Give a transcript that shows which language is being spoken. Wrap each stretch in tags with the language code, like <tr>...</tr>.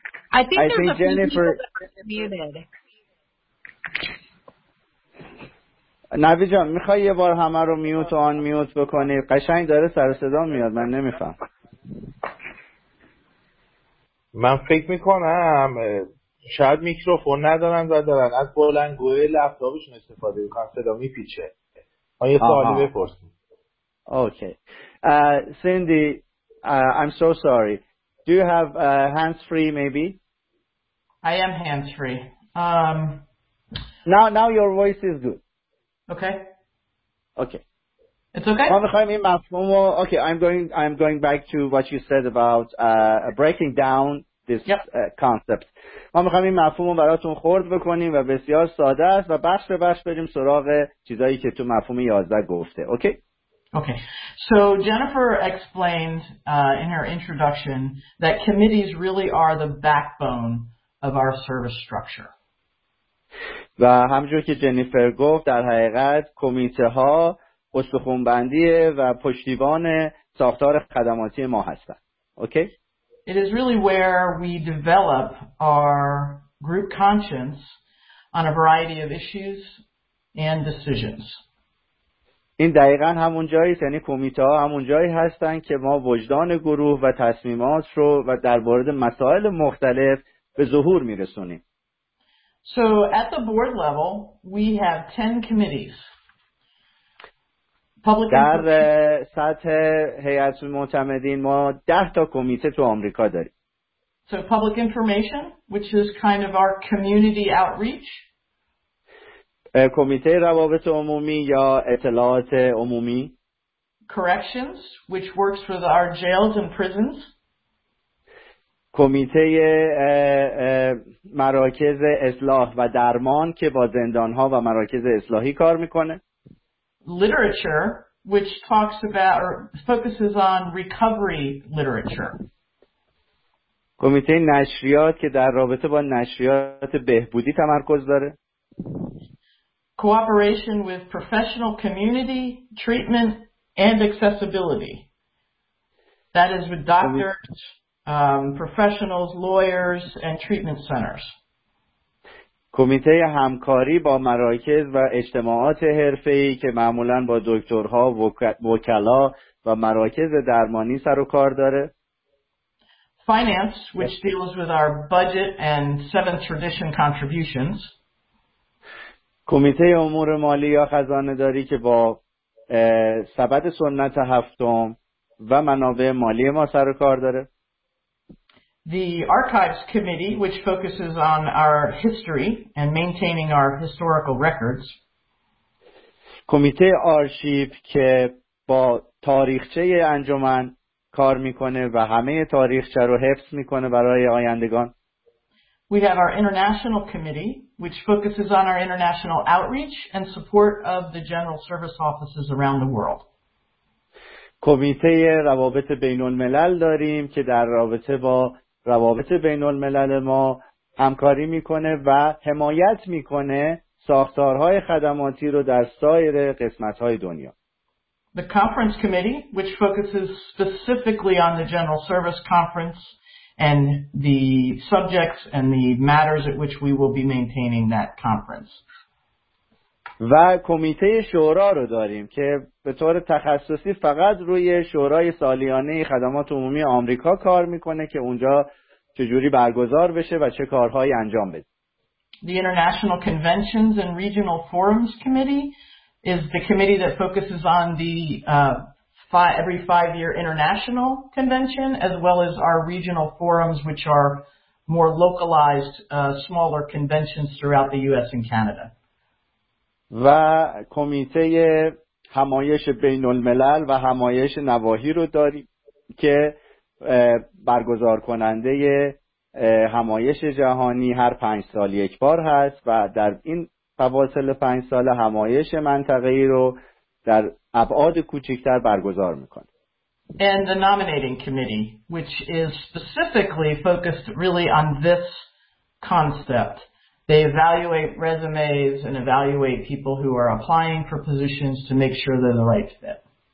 <en>I think there's a few people that are muted.</en> <fa>نوی جان میخوای یه بار همه رو میوت و آن میوت بکنی؟ قشنگ داره سر صدا میاد، من نمیفهم. من فکر میکنم شاید میکروفون ندارن و دارن از بلندگوی لپتاپشون استفاده میکنن، صدا میپیچه. آن یه سوالی بپرسیم.</fa> <en>Okay Cindy, I'm so sorry. Do you have hands free maybe? I am hands free. Now your voice is good. Okay. It's okay. Okay, I'm going back to what you said about breaking down this concept.</en> <fa>ما می‌خوایم این مفهومو براتون خرد بکنیم و بسیار ساده است و بخش به بخش بریم سراغ چیزایی که تو مفهوم 11 گفته. Okay? Okay.</fa> <en>So Jennifer explained in her introduction that committees really are the backbone of our service structure.</en> <fa>و همجور که جنیفر گفت در حقیقت کمیته ها استخونبندی و پشتیبان ساختار خدماتی ما هستند. اوکی؟</fa> <en>It is really where we develop our group conscience on a variety of issues and decisions.</en> <fa>این دقیقاً همون جاییه، یعنی کمیته ها همون جایی هستن که ما وجدان گروه و تصمیمات رو و در مورد مسائل مختلف به ظهور میرسونیم.</fa> <en>So at the board level we have 10 committees.</en> <fa>Public در سطح هیئت معتمدین ما 10 تا کمیته تو آمریکا داریم.</fa> <en>So public information, which is kind of our community outreach.</en> <fa>کمیته روابط عمومی یا اطلاعات عمومی.</fa> <en>Corrections, which works with our jails and prisons.</en> <fa>کمیته مراکز اصلاح و درمان که با زندان‌ها و مراکز اصلاحی کار می‌کنه.</fa> <en>Literature, which talks about or focuses on recovery literature.</en> <fa>کمیته نشریات که در رابطه با نشریات بهبودی تمرکز داره.</fa> <en>Cooperation with professional community, treatment, and accessibility. That is with doctors, professionals, lawyers, and treatment centers.</en> <fa>کمیته همکاری با مراکز و اجتماعات حرفه‌ای که معمولاً با دکترها، وکلا و مراکز درمانی سر و کار داره.</fa> <en>Finance, which deals with our budget and seventh tradition contributions.</en> <fa>کمیته امور مالی یا خزانه داری که با سبد سنت هفتم و منابع مالی ما سر و کار داره.</fa> <en>The archives committee, which focuses on our history and maintaining our historical records.</en> <fa>کمیته آرشیو که با تاریخچه انجمن کار میکنه و همه تاریخچه رو حفظ میکنه برای آیندگان.</fa> <en>We have our international committee, which focuses on our international outreach and support of the general service offices around the world.</en> <fa>کمیته روابط بین الملل داریم که در رابطه با روابط بین الملل ما همکاری میکنه و حمایت میکنه ساختارهای خدماتی رو در سایر قسمت‌های دنیا.</fa> <en>The conference committee, which focuses specifically on the general service conference and the subjects and the matters at which we will be maintaining that conference.</en> <fa>و کمیته شورا رو داریم که به طور تخصصی فقط روی شورای سالیانه خدمات عمومی آمریکا کار میکنه که اونجا چجوری برگزار بشه و چه کارهایی انجام بده.</fa> <en>The International Conventions and Regional Forums Committee is the committee that focuses on the every five-year international convention, as well as our regional forums, which are more localized, smaller conventions throughout the U.S. and Canada.</en> <fa>و کمیته همایش بین الملل و همایش نواحی رو داریم که برگزار کننده همایش جهانی هر پنج سال یک بار هست و در این فواصل پنج سال همایش منطقه‌ای رو در ابعاد کوچکتر برگزار میکنه.</fa> <en>And the nominating committee, which is specifically focused really on this concept. They evaluate resumes and evaluate people who are applying for positions to make sure they're the right fit.</en>